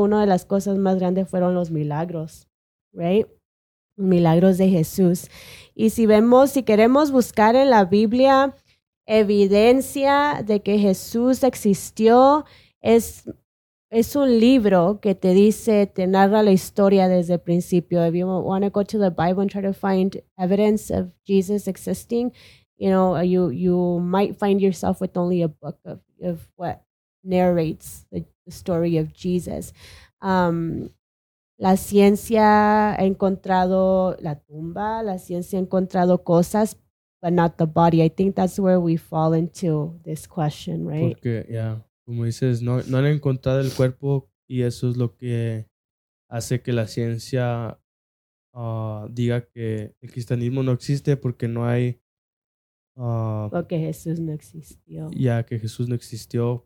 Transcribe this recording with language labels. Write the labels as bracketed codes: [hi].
[es] Una de las cosas más grandes fueron los milagros, ¿right? Milagros de Jesús. Y si queremos buscar en la Biblia evidencia de que Jesús existió, es un libro que te dice, te narra la historia desde el principio. [en] If you want to go to the Bible and try to find evidence of Jesus existing, you know, you might find yourself with only a book of what narrates the story of Jesus. [es] La ciencia ha encontrado la tumba, la ciencia ha encontrado cosas, [en] but not the body. I think that's where we fall into this question, right? [es] Porque, yeah, como dices, no han encontrado el cuerpo y eso es lo que hace que la ciencia diga que el cristianismo no existe porque no hay... Porque Jesús no existió. Ya, que Jesús no existió.